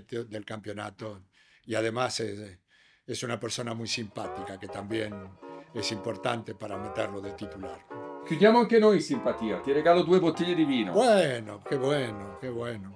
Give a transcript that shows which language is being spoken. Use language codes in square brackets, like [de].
[es] del campeonato y además es una persona muy simpática, que también es importante para meterlo de titular. [it] Chiudiamo anche noi in simpatia. Ti regalo 2 bottiglie di vino. [es] Bueno, qué bueno, qué bueno,